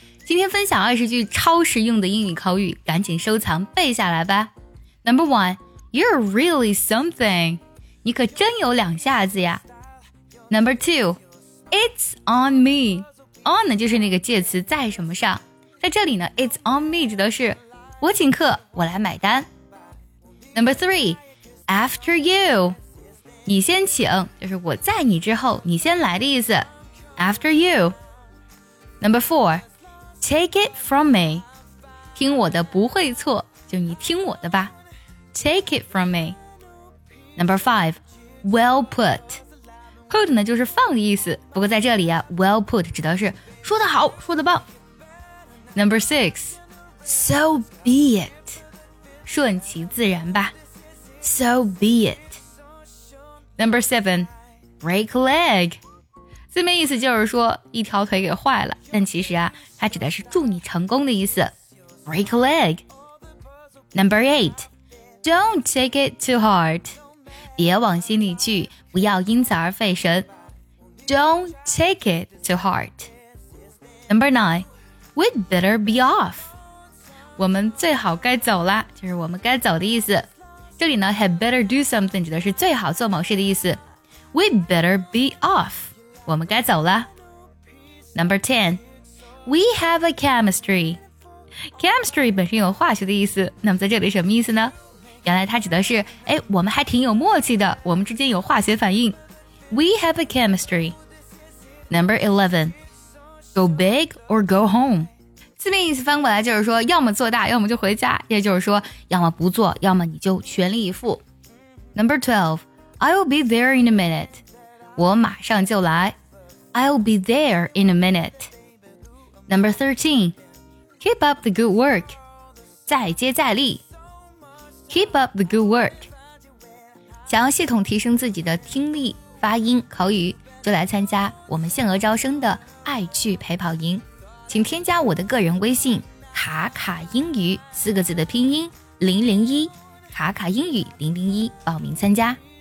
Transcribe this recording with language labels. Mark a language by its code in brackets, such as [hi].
[zh] 今天分享二十句超实用的英语口语，赶紧收藏背下来吧。 [en] Number one, you're really something. [zh] 你可真有两下子呀。 [en] Number two, it's on me. [zh] On 呢就是那个介词在什么上。在这里呢 , [en] it's on me [zh] 指的是我请客，我来买单。 [en] Number three, after you. [zh] 你先请，就是我在你之后，你先来的意思。 [en] After you. Number four, take it from me. [zh] 听我的不会错，就你听我的吧。 [en] Take it from me. Number five, well put. [zh] Put 呢就是放的意思，不过在这里啊 ,well put 指的是说得好，说得棒。 [en] Number six, so be it. [zh] 顺其自然吧。 [en] So be it. Number seven, break a leg. [zh] 字面意思就是说一条腿给坏了，但其实啊它指的是祝你成功的意思。 [en] Break a leg. Number eight, don't take it too hard. [zh] 别往心里去，不要因此而费神。 [en] Don't take it too hard. Number nine,We'd better be off. [zh] 我们最好该走了，就是我们该走的意思。这里呢 [en] had better do something [zh] 指的是最好做某事的意思。 [en] We'd better be off. [zh] 我们该走了。 [en] Number 10. We have a chemistry. [zh] Chemistry 本身有化学的意思，那么在这里什么意思呢？原来它指的是哎，我们还挺有默契的，我们之间有化学反应。 [en] We have a chemistry. Number 11. Go big or go home. [zh] 字面意思翻过来就是说要么做大要么就回家，也就是说要么不做要么你就全力以赴。 [en] Number 12, I'll be there in a minute. [zh] 我马上就来。 [en] I'll be there in a minute. Number 13, keep up the good work. [zh] 再接再厉。 [en] Keep up the good work. [zh] 想要系统提升自己的听力、发音、口语，就来参加我们限额招生的爱趣陪跑营，请添加我的个人微信卡卡英语四个字的拼音001，卡卡英语001报名参加。